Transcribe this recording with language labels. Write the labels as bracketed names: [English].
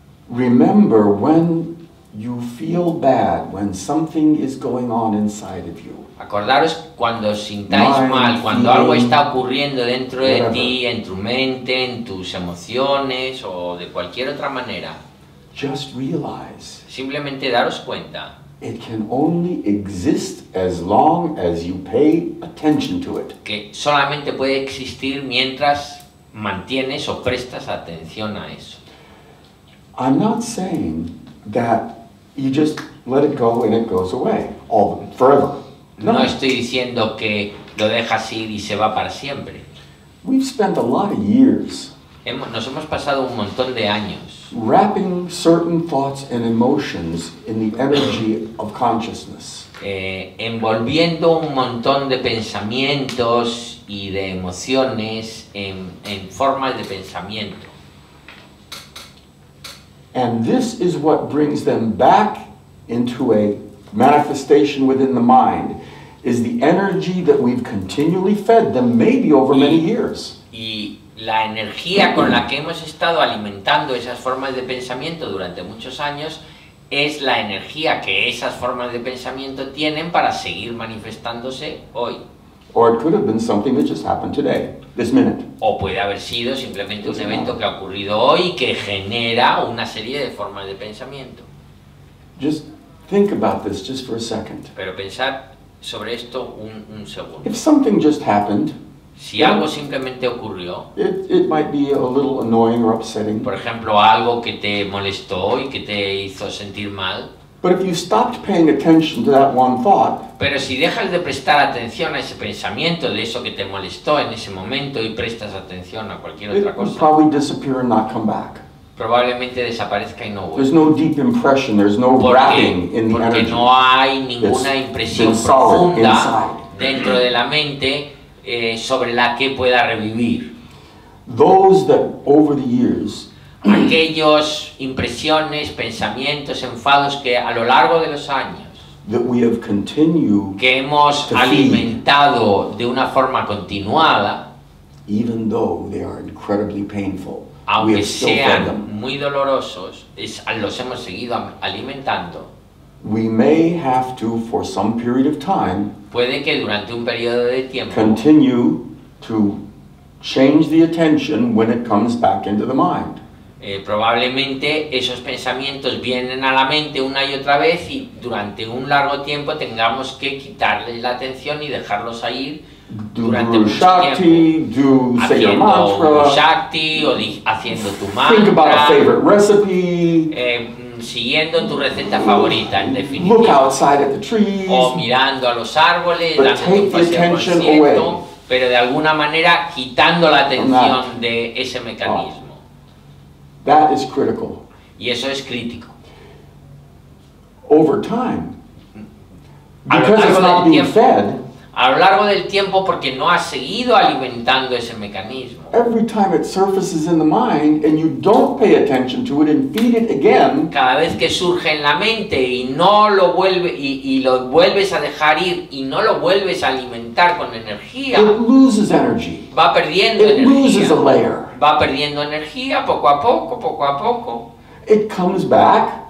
[English] Remember when you feel bad, when something is going on inside of you. [Spanish] Acordaros cuando os sintáis mal, cuando algo está ocurriendo dentro de ti, en tu mente, en tus emociones o de cualquier otra manera. [English] Just realize. [Spanish] Simplemente daros cuenta. [English] It can only exist as long as you pay attention to it. [Spanish] Que solamente puede existir mientras mantienes o prestas atención a eso. [English] I'm not saying that you just let it go and it goes away all forever. [Spanish] No estoy diciendo que lo dejas ir y se va para siempre. [English] We've spent a lot of years. [Spanish] Nos hemos pasado un montón de años. [English] Wrapping certain thoughts and emotions in the energy of consciousness. [Spanish] Envolviendo un montón de pensamientos y de emociones en forma de pensamiento. [English] And this is what brings them back into a manifestation within the mind, is the energy that we've continually fed them, maybe over many years. [Spanish] Y la energía con la que hemos estado alimentando esas formas de pensamiento durante muchos años es la energía que esas formas de pensamiento tienen para seguir manifestándose hoy. [English] Or it could have been something that just happened today, this minute. [Spanish] O puede haber sido simplemente un evento que ha ocurrido hoy que genera una serie de formas de pensamiento. [English] Just think about this just for a second. [Spanish] Pero pensar sobre esto un segundo. [English] If something just happened, [Spanish] si algo simplemente ocurrió, [English] it might be a little annoying or upsetting. [Spanish] Por ejemplo, algo que te molestó y que te hizo sentir mal. [English] But if you stopped paying attention to that one thought, [Spanish] pero si dejas de prestar atención a ese pensamiento de eso que te molestó en ese momento y prestas atención a cualquier otra cosa, [English] it probably disappear and not come back. [Spanish] Probablemente desaparezca y no vuelva. [English] There's no deep impression, there's no grabbing in the energy. [Spanish] No hay ninguna impresión profunda dentro de la mente sobre la que pueda revivir. [English] Those that over the years, [Spanish] aquellos impresiones, pensamientos, enfados que a lo largo de los años [English] that we have continued [Spanish] que hemos alimentado de una forma continuada, [English] even though they are incredibly painful, [Spanish] aunque sean muy dolorosos, los hemos seguido alimentando. [English] We may have to, for some period of time, [Spanish] puede que durante un periodo de tiempo [English] continue to change the attention when it comes back into the mind. [Spanish] Probablemente esos pensamientos vienen a la mente una y otra vez y durante un largo tiempo tengamos que quitarles la atención y dejarlos ahí durante mucho tiempo. Haciendo tu shakti o haciendo tu mantra. [English] Think about a favorite recipe. [Spanish] Siguiendo tu receta favorita, en definitiva. [English] Look outside at the trees. [Spanish] O mirando a los árboles, [English] but [Spanish] dando [English] take [Spanish] tu paseo [English] the attention away. [Spanish] Pero de alguna manera quitando la atención de ese mecanismo. [English] That is critical. [Spanish] Y eso es crítico. [English] Over time, because it's not being fed, [Spanish] a lo largo del tiempo, porque no ha seguido alimentando ese mecanismo. [English] Every time it surfaces in the mind and you don't pay attention to it and feed it again, [Spanish] cada vez que surge en la mente y no lo vuelve y lo vuelves a dejar ir y no lo vuelves a alimentar con energía, [English] it loses energy. [Spanish] Va perdiendo [English] it [Spanish] energía. [English] Loses a layer. [Spanish] Va perdiendo energía poco a poco, poco a poco. [English] It comes back.